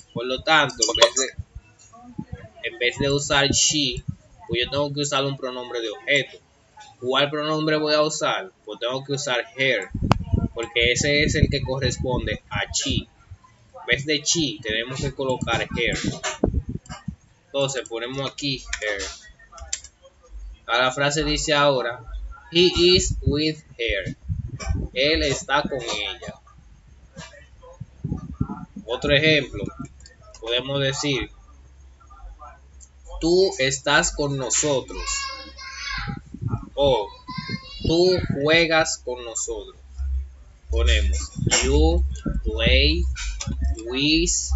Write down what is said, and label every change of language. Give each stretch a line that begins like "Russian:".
Spanish: Por lo tanto, en vez de usar she, pues yo tengo que usar un pronombre de objeto. ¿Cuál pronombre voy a usar? Pues tengo que usar her, porque ese es el que corresponde a she. En vez de she, tenemos que colocar her. Entonces, ponemos aquí her. La frase dice ahora,
English: he is with her.
Spanish: Él está con ella. Otro ejemplo, podemos decir, tú estás con nosotros. O, tú juegas con nosotros. Ponemos,
English: you play with.